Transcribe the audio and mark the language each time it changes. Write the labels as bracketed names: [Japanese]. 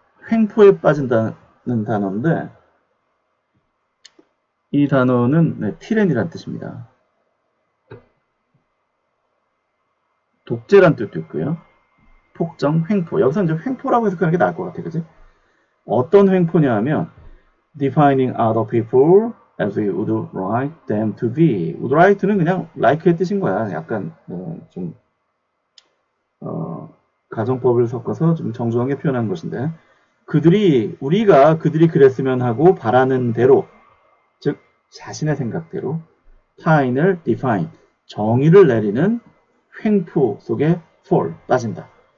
[Korean] 횡포에 빠진다는 단어인데 이 단어는 네, tyranny라는 뜻입니다. 독재란 뜻도 있고요. 폭정, 횡포. 여기서 이제 횡포라고 해석하는 게 나을 것 같아, 그지? 어떤 횡포냐 하면, [English] defining other people as we would like them to be. [Korean] would like는 그냥 like의 뜻인 거야. 약간, 좀, 가정법을 섞어서 좀 정중하게 표현한 것인데, 우리가 그들이 그랬으면 하고 바라는 대로, 즉 자신의 생각대로 타인을 define, 정의를 내리는 횡포 속에 fall, 빠진다.